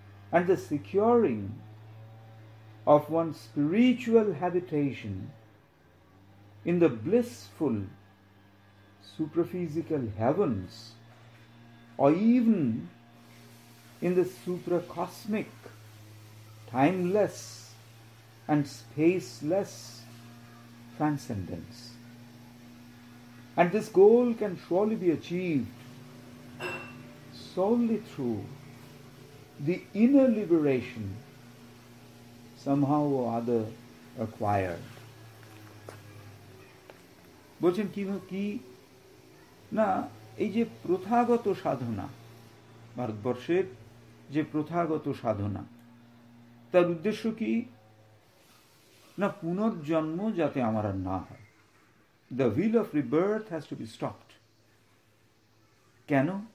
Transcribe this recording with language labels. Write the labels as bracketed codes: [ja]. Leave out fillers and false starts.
[en] And the securing of one spiritual habitation in the blissful supraphysical heavens or even in the supracosmic timeless and spaceless transcendence. And this goal can surely be achieved solely through the inner liberation somehow or other acquired. [bn] বলছেন কি না, এই যে প্রথাগত সাধনা, ভারতবর্ষের যে প্রথাগত সাধনা, তার উদ্দেশ্য কি? না, পুনর্জন্ম যাতে আমার আর না হয়। [en] The wheel of rebirth has to be stopped. [bn] কেন?